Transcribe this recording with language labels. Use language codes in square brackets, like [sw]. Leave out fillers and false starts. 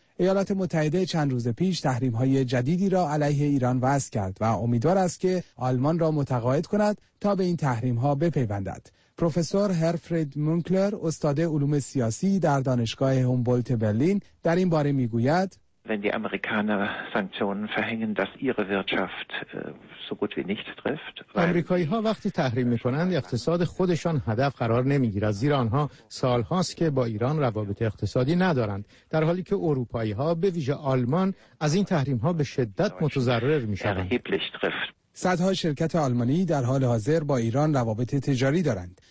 [fa] ایالات متحده چند روز پیش تحریم‌های جدیدی را علیه ایران وضع کرد و امیدوار است که آلمان را متقاعد کند تا به این تحریم‌ها بپیوندد. پروفسور هرفرید مونکلر، استاد علوم سیاسی در دانشگاه هومبولت برلین، در این باره می‌گوید: [de] Wenn die Amerikaner Sanktionen verhängen, dass ihre Wirtschaft so gut wie nicht trifft. [fa] آمریکایی‌ها وقتی تحریم می‌کنند، اقتصاد خودشان هدف قرار نمی‌گیرد. زیرا آنها سال‌هاست که با ایران روابط اقتصادی ندارند. در حالی که اروپایی‌ها، به ویژه آلمان، از این تحریم‌ها به شدت متضرر می‌شوند. صدها شرکت آلمانی در حال حاضر با ایران روابط تجاری دارند.